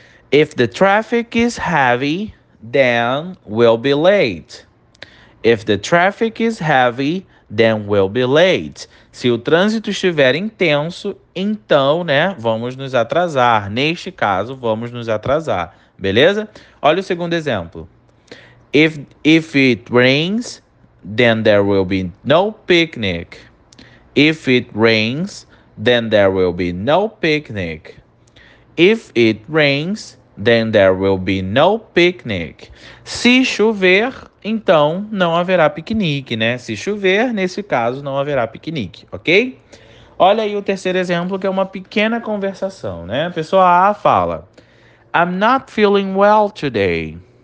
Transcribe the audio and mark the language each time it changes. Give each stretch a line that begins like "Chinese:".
English: If the traffic is heavy, then we'll be late. If the traffic is heavy, then we'll be late.
Portuguese: Se o trânsito estiver intenso, então, né, vamos nos atrasar. Neste caso, vamos nos atrasar, beleza? Olha o segundo exemplo.
English: If it rains, then there will be no picnic. If it rains, then there will be no picnic. If it rains, then there will be no picnic.
Portuguese: Se chover, então não haverá piquenique, né? Se chover, nesse caso, não haverá piquenique, ok? Olha aí o terceiro exemplo, que é uma pequena conversação, né? A pessoa A fala,
English: I'm not feeling well today.